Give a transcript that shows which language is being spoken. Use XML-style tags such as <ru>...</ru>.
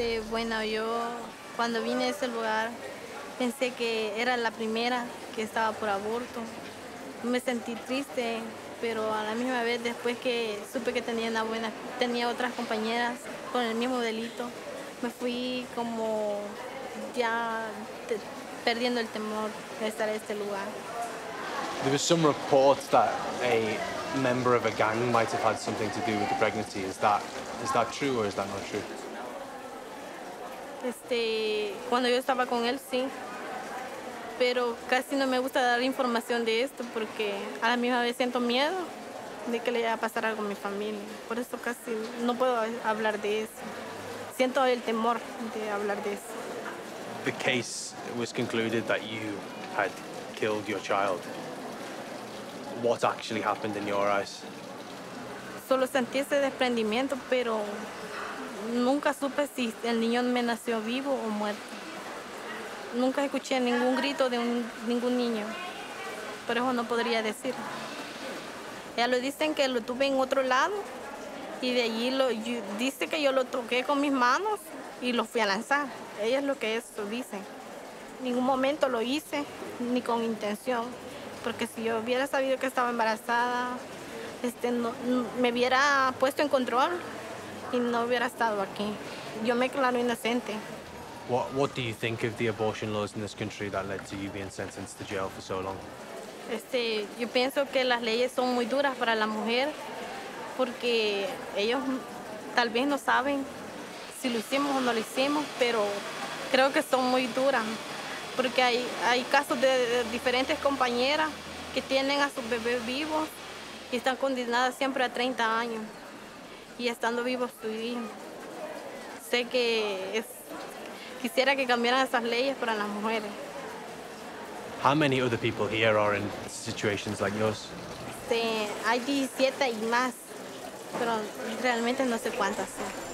<es>Bueno, yo cuando vine a ese lugar pensé que era la primera que estaba por aborto. Me sentí triste. Pero a la misma vez, después que supe que tenía una buena, tenía otras compañeras con el mismo delito, me fui como ya perdiendo el temor de estar en este lugar.</es> <en>There was some reports that a member of a gang might have had something to do with the pregnancy. Is that true or is that not true?</en> <es>Cuando yo estaba con él, sí. Pero casi no me gusta dar información de esto porque a la misma vez siento miedo de que le vaya a pasar algo a mi familia. Por eso casi no puedo hablar de eso. Siento el temor de hablar de eso.</es> <en>The case was concluded that you had killed your child. What actually happened in your eyes?</en> <es>Solo sentí ese desprendimiento, pero nunca supe si el niño me nació vivo o muerto. Nunca escuché ningún grito de ningún niño, por eso no podría decir. Ya lo dicen que lo tuve en otro lado y de allí dice que yo lo toqué con mis manos y lo fui a lanzar. Ella es lo que eso dice. En ningún momento lo hice, ni con intención, porque si yo hubiera sabido que estaba embarazada, no, me hubiera puesto en control y no hubiera estado aquí. Yo me declaro inocente.</es> <en>What do you think of the abortion laws in this country that led to you being sentenced to jail for so long?</en> <es>Yo pienso que las leyes son muy duras para la mujer porque ellos tal vez no saben si lo hicimos o no lo hicimos, pero creo que son muy duras porque hay casos de diferentes compañeras que tienen a sus bebés vivos y están condenadas siempre a 30 años y estando vivos su hijo. Sé que es, quisiera que cambiaran esas leyes para las mujeres.</es> <en>How many other people here are in situations like yours?</en> <es>Hay 17 y más, pero realmente no sé cuántas son.</es>